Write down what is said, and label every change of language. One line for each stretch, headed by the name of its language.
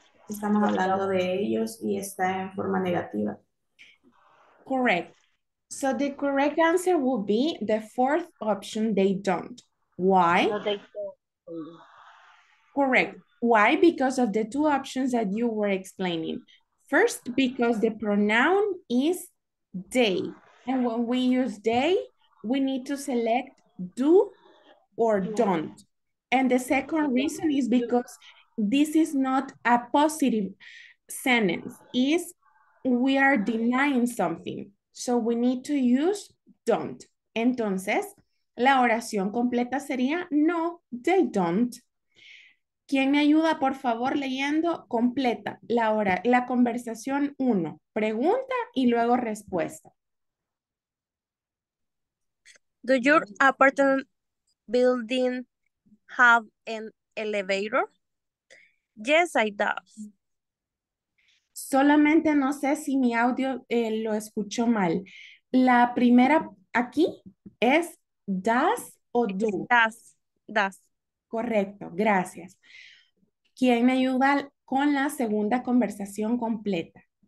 Spanish: Estamos hablando de ellos y está en forma negativa.
English: Correct. So the correct answer will be the fourth option, they don't. Why? No, they don't. Correct. Why? Because of the two options that you were explaining. First, because the pronoun is they. And when we use they, we need to select do or don't. And the second reason is because this is not a positive sentence. Is we are denying something, so we need to use don't.
Spanish: Entonces, la oración completa sería, no,
English: they don't.
Spanish: ¿Quién me ayuda, por favor, leyendo completa la hora, la conversación 1? Pregunta y luego respuesta.
English: Do your apartment building have an elevator? Yes, I do.
Spanish: Solamente no sé si mi audio lo escuchó mal. La primera aquí es does o do.
English: Does, does.
Spanish: Correcto, gracias. ¿Quién me ayuda con la segunda conversación completa?